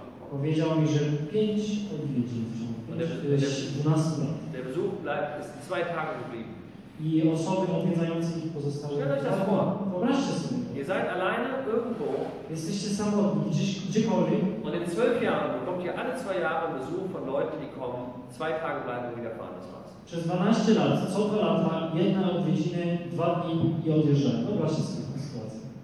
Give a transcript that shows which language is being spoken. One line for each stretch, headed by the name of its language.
Polish: Powiedział mi, że 5 odwiedził w ciągu 12 lat.
German: Der Besuch bleibt, ist 2 Tage geblieben.
Polish: I osoby odwiedzające ich pozostały. Wyobraźcie sobie.
German: Ihr seid alleine irgendwo.
Polish: Jesteście samotni gdziekolwiek.
German: Und in 12 Jahren bekommt ihr alle 2 Jahre Besuch von Leuten, die kommen, 2 Tage bleiben und wieder fahren.
Polish: Przez 12 lat, co 2 lata, jedna odwiedziny, 2 dni i odjeżdżamy. No właśnie z taką sytuacją.